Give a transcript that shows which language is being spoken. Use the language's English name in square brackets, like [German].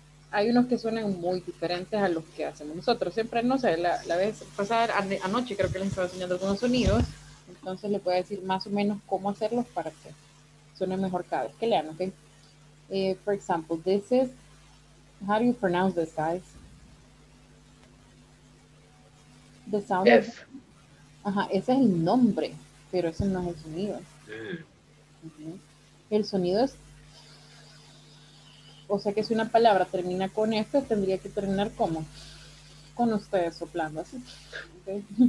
[Spanish] Hay unos que suenan muy diferentes a los que hacemos nosotros. Siempre, no sé, la vez pasada, anoche creo que les estaba enseñando algunos sonidos. Entonces le voy a decir más o menos cómo hacerlos para que suene mejor cada vez que lean, ¿ok? [English] For example, this is, how do you pronounce this, guys? The sound F. [Spanish] Ajá, ese es el nombre, pero ese no es el sonido. Uh-huh. El sonido es, o sea que si una palabra termina con F, tendría que terminar como, con ustedes soplando así. Okay.